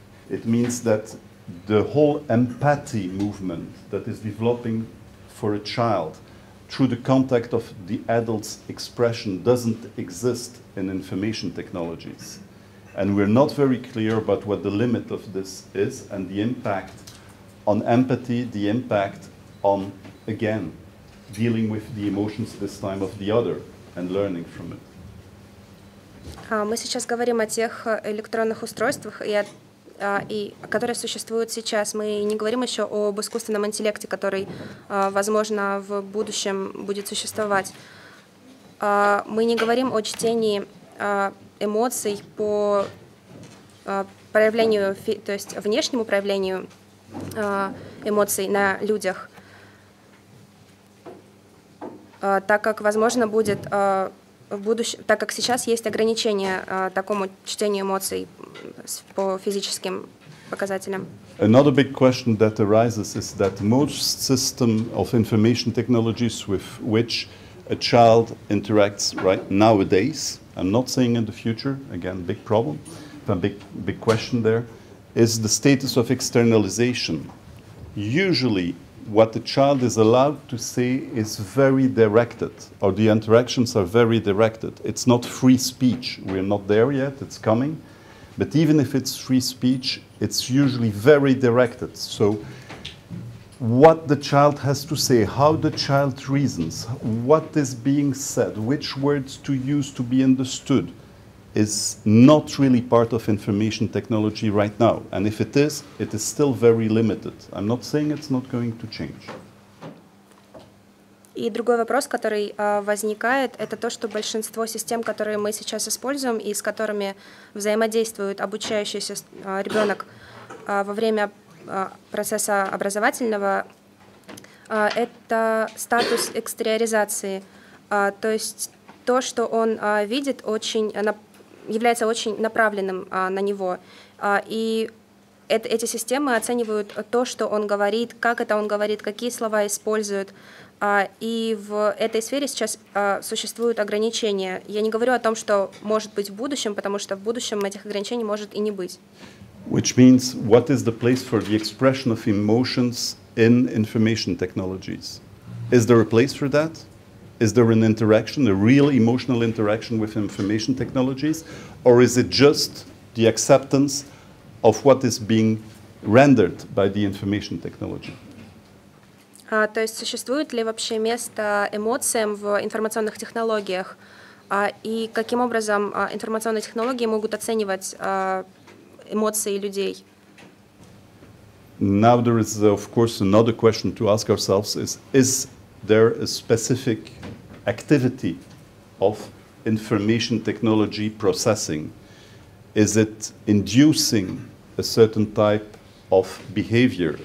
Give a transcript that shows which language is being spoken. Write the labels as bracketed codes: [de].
[en] It means that the whole empathy movement that is developing for a child through the contact of the adult's expression doesn't exist in information technologies. And we're not very clear about what the limit of this is and the impact on empathy, the impact on, again, dealing with the emotions this time of the other and learning from it. [ru] Мы сейчас говорим о тех электронных устройствах, которые существуют сейчас. Мы не говорим еще об искусственном интеллекте, который, возможно, в будущем будет существовать. Мы не говорим о чтении эмоций по проявлению, то есть внешнему проявлению эмоций на людях, так как, возможно, будет в будущем, так как сейчас есть ограничения такому чтению эмоций по физическим показателям. [en] Another big question that arises is that most system of information technologies with which a child interacts right nowadays, I'm not saying in the future, again, big problem, but big question there, is the status of externalization. Usually, what the child is allowed to say is very directed, or the interactions are very directed. It's not free speech. We're not there yet, it's coming. But even if it's free speech, it's usually very directed. So what the child has to say, how the child reasons, what is being said, which words to use to be understood, is not really part of information technology right now. And if it is, it is still very limited. I'm not saying it's not going to change. [ru] И другой вопрос, который возникает, это то, что большинство систем, которые мы сейчас используем и с которыми взаимодействует обучающийся ребенок во время процесса образовательного, это статус экстериоризации. То есть то, что он видит, является очень направленным на него. И эти системы оценивают то, что он говорит, как это он говорит, какие слова используют. И в этой сфере сейчас существуют ограничения. Я не говорю о том, что может быть в будущем, потому что в будущем этих ограничений может и не быть. [en] Which means, what is the place for the expression of emotions in information technologies? Is there a place for that? Is there an interaction, a real emotional interaction with information technologies? Or is it just the acceptance of what is being rendered by the information technology? [ru] То есть существует ли вообще место эмоциям в информационных технологиях? И каким образом информационные технологии могут оценивать эмоции людей? [en] Now there is, of course, another question to ask ourselves is there a specific activity of information technology processing? Is it inducing a certain type of behavior?